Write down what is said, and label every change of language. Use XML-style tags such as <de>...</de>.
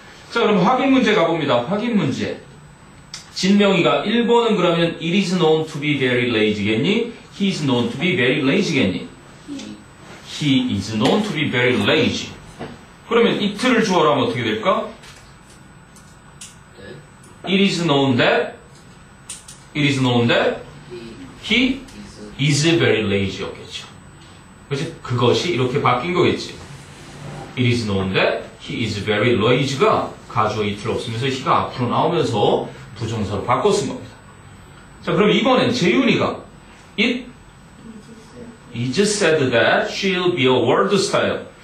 <ko>자, 그럼 확인 문제 가봅니다. 확인 문제. 진명이가 1번은 그러면</ko> <en>it is known to be very lazy겠니? He is known to be very lazy겠니? He is known to be very lazy.</en> <ko>그러면 it를 주어로 하면 어떻게 될까?</ko> <en>It is known that it is known that he is very lazy였겠죠.</en> <ko>그렇지? 그것이 이렇게 바뀐 거겠지.</ko> <en>It is known that he is very lazy</en> <ko>가 가주어 it를 없으면서 he가 앞으로 나오면서 부정사로 바꿨은 겁니다. 자, 그럼 이번엔 재윤이가</ko> <en>it is said that she'll be a world star.</en>